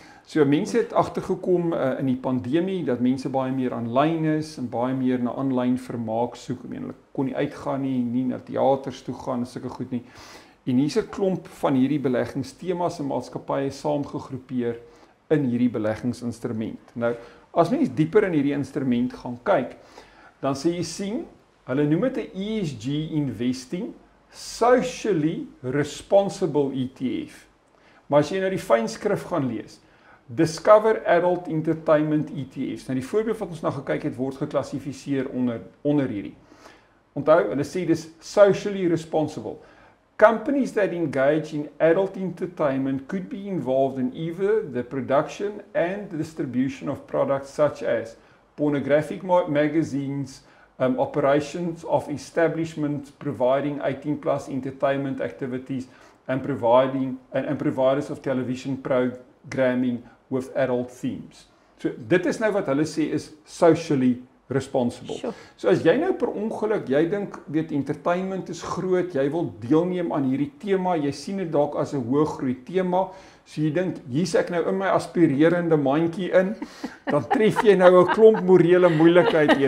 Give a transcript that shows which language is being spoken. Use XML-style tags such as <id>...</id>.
<af>So mense het agtergekom in die pandemie dat mense baie meer aanlyn is en baie meer na aanlyn vermaak soek. Hulle kon nie uitgaan nie na teaters toe gaan, sulke goed nie. En hier's 'n klomp van hierdie beleggingstemas en maatskappye saamgegroepeer in hierdie beleggingsinstrument. Nou, as mens dieper in hierdie instrument gaan kyk, dan sê jy sien, hulle noem dit 'n ESG Investing Socially Responsible ETF. Maar as jy nou die fynskrif gaan lees, Discover Adult Entertainment ETFs. Nou die voorbeeld wat ons nou gekyk het word geklassifiseer onder hierdie. Onthou, hulle sê dis</af> <en>socially responsible. Companies that engage in adult entertainment could be involved in either the production and the distribution of products such as pornographic magazines, operations of establishments providing 18 plus entertainment activities and providers of television programming with adult themes.</en> <af>So dit is nou wat hulle sê is</af> <en>socially responsible. Sure.</en> <af>So as jy nou per ongeluk, jy dink weet entertainment is groot, jy wil deelneem aan hierdie tema, jy sien dit dalk as 'n hoë groei tema, so jy dink hier's ek nou in my aspirerende mandjie in, dan tref jy nou 'n klomp morele moeilikheid hier.</af>